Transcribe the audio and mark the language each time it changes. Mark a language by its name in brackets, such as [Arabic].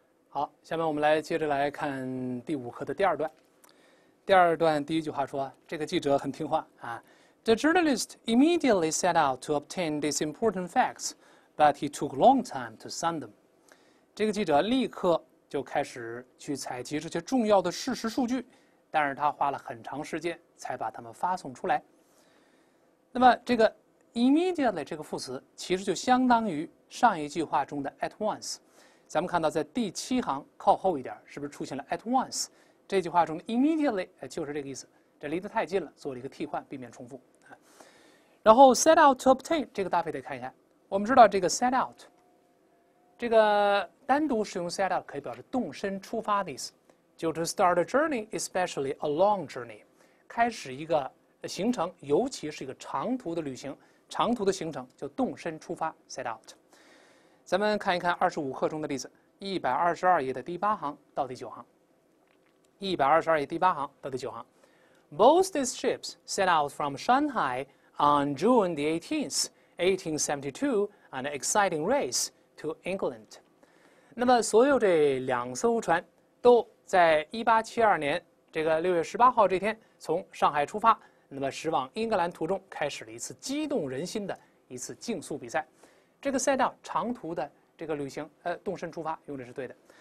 [Chinese] 好，下面我们来接着来看第五课的第二段。第二段第一句话说，这个记者很听话啊。 [English] The journalist immediately set out to obtain these important facts, but he took long time to send them. [Chinese] 这个记者立刻就开始去采集这些重要的事实数据，但是他花了很长时间才把它们发送出来。那么这个 immediately 这个副词其实就相当于上一句话中的 at once。咱们看到，在第七行靠后一点，是不是出现了 at once？这句话中的 immediately 就是这个意思。这离得太近了，做了一个替换，避免重复。然后 set out to obtain 这个搭配得看一下。我们知道这个 set out， 这个单独使用 set out 可以表示动身出发的意思，就是 [English] start a journey， especially a long journey， [Chinese] 开始一个行程，尤其是一个长途的旅行，长途的行程就动身出发 set out。咱们看一看25课中的例子，122页的第八行到第九行。 122页第八行到第九行 [English] ，Both these ships set out from Shanghai on June the 18th, 1872, an exciting race to England。 [Chinese] 那么，所有这两艘船都在1872年这个6月18号这天从上海出发，那么驶往英格兰途中开始了一次激动人心的一次竞速比赛。这个 set out 长途的这个旅行，动身出发用的是对的。